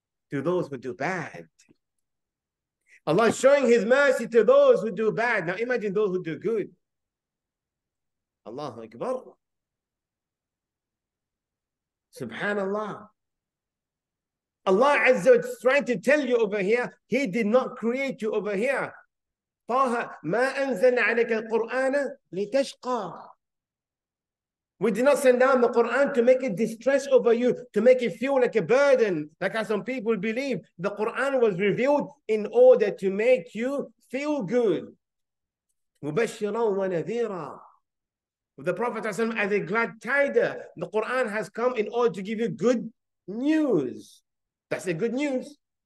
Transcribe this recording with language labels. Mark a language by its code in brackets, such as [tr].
[en] To those who do bad? Allah is showing His mercy to those who do bad. Now imagine those who do good. Allahu Akbar. Subhanallah. Allah Azza wa Jalla is trying to tell you over here, He did not create you over here. [ar] طه ما أنزلنا عليك القرآن لتشقى. [en] We did not send down the Quran to make it distress over you, to make it feel like a burden, like how some people believe. The Quran was revealed in order to make you feel good. [ar] مبشرا ونذيرا. [en] The Prophet as a glad tider, the Quran has come in order to give you good news. That's the good news.